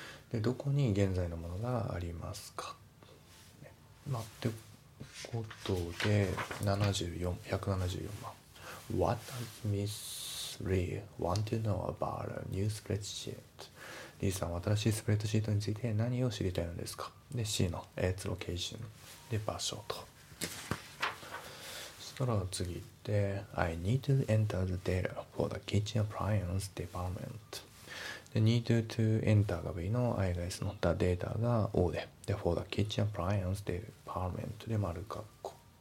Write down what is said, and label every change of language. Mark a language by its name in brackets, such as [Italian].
[Japanese] で、どこに現在のものがありますか、ね、まあ、ってことで、174番。 [English] What does Miss Lee want to know about a new spreadsheet? [Japanese] D さん、新しいスプレッドシートについて何を知りたいのですか。で、 C の Its location で場所と。 [English] そしたら次行って、 I need to enter the data for the kitchen appliance department. [Japanese] で、 need to enter が B の I が S の、 the data が O で、 で、 for the kitchen appliance department で丸括弧。